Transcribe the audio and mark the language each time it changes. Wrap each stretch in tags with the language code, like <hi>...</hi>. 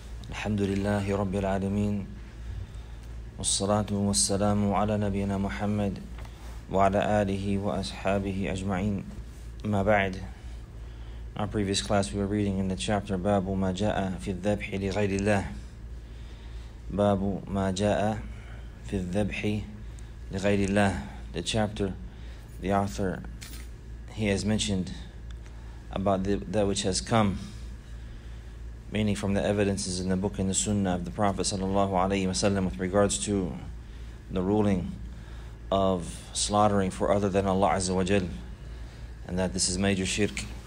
<ar>الحمد لله رب العالمين، والصلاة والسلام على نبينا محمد وعلى آله وأصحابه أجمعين. ما بعد،</ar> <en>our previous class we were reading in the chapter</en> <ar>باب ما جاء في الذبح لغير الله. باب ما جاء في الذبح لغير الله.</ar> <en>The chapter, the author, he has mentioned about that which has come, meaning from the evidences in the book and the sunnah of the Prophet sallallahu alaihi wasallam with regards to the ruling of slaughtering for other than Allah azza wa jal, and that this is major shirk.</en>